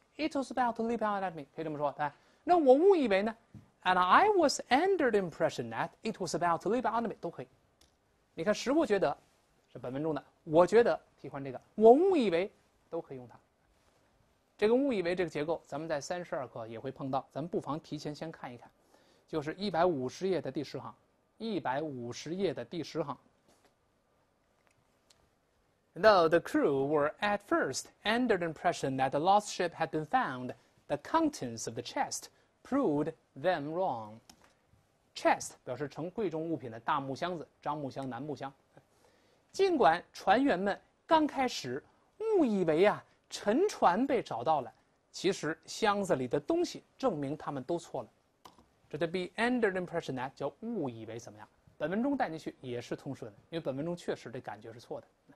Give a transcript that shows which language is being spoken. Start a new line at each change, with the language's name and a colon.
English: It was about to leap out at me，
Chinese: 可以这么说。 来，那我误以为呢
English: ？And I was under the impression that it was about to leap out at me， 都可以。
Chinese: 你看，实不觉得是本文中的，我觉得替换这个，我误以为都可以用它。这个误以为这个结构，咱们在32课也会碰到，咱们不妨提前先看一看，就是150页的第十行，150页的第十行。
English: Though the crew were at first under the impression that the lost ship had been found, the contents of the chest proved them wrong.
Chinese: Chest 表示盛贵重物品的大木箱子，樟木箱、楠木箱。尽管船员们刚开始误以为啊沉船被找到了，其实箱子里的东西证明他们都错了。这叫
English: be under the impression that
Chinese: 叫误以为怎么样？本文中带进去也是通顺的，因为本文中确实这感觉是错的。